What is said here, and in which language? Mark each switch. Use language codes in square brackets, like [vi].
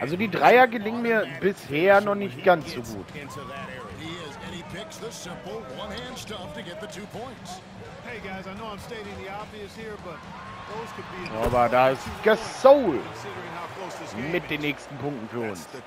[de] Also die Dreier gelingen mir bisher noch nicht ganz so gut. [en] He is, and he picks the simple one-hand stuff to get the 2 points. Hey guys, I know I'm stating the obvious here, but... [de] Aber da ist Gasol mit den nächsten Punkten für uns.